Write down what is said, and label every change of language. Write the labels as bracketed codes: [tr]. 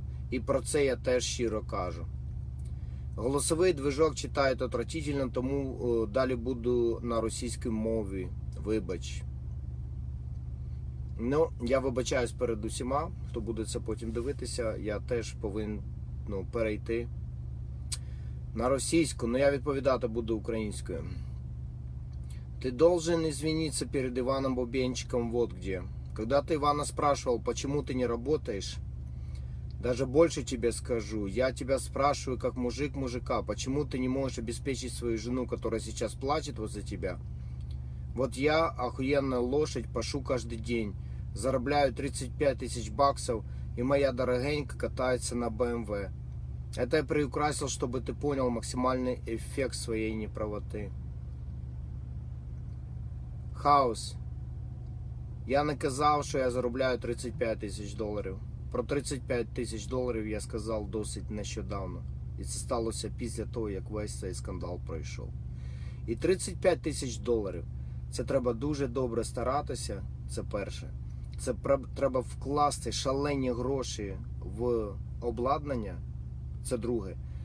[uk] І про це я теж щиро кажу. Голосовий движок читають отвратительно, тому далі буду на російській мові. Вибач. Ну, я вибачаюсь перед усіма, хто буде це потім дивитися. Я теж повинен, ну, перейти на російську. Ну, я відповідати буду українською. [ru] Ти должен извиниться перед Іваном Бубенчиком вот где. Когда ти Івана спрашивал, почему ты не работаешь, даже больше тебе скажу. Я тебя спрашиваю, как мужик мужика, почему ты не можешь обеспечить свою жену, которая сейчас плачет вот за тебя? Вот я, охуенная лошадь, пашу каждый день, зарабатываю 35 тысяч баксов, и моя дорогенька катается на BMW. Это я приукрасил, чтобы ты понял максимальный эффект своей неправоты. Хаос. Я не казал, что я зарабатываю 35 тысяч долларов. [uk] Про 35 тисяч доларів я сказав досить нещодавно. І це сталося після того, як весь цей скандал пройшов. І 35 тисяч доларів – це треба дуже добре старатися, це перше. Це треба вкласти шалені гроші в обладнання, це друге.